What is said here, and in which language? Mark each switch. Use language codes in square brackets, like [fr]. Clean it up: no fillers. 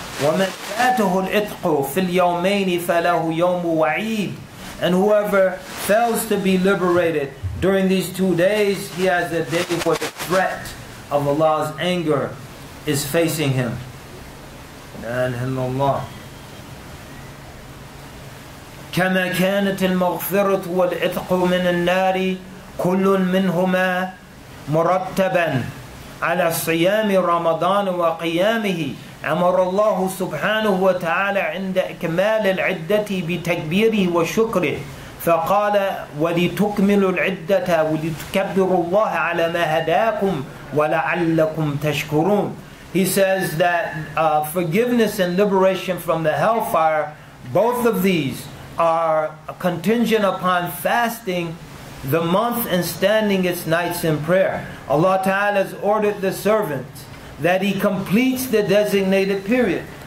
[ar] وَمَنْ فَاتَهُ الْإِتْقُ فِي الْيَوْمَيْنِ فَلَهُ يَوْمُ وَعِيدٍ. [en] And whoever fails to be liberated during these 2 days, he has a day where the threat of Allah's anger is facing him. [ar] Alhamdulillah. كما كانت المغفرة والإتق من النار كل منهما مرتبا على صيام رمضان وقيامه أمر الله سبحانه وتعالى عند إكمال العدة بتكبيره وشكره فقال ولتكملوا العدة ولتكبروا الله على ما هداكم ولعلكم تشكرون. [en] He says that forgiveness and liberation from the hellfire, both of these are contingent upon fasting the month and standing its nights in prayer. Allah Ta'ala has ordered the servant that he completes the designated period.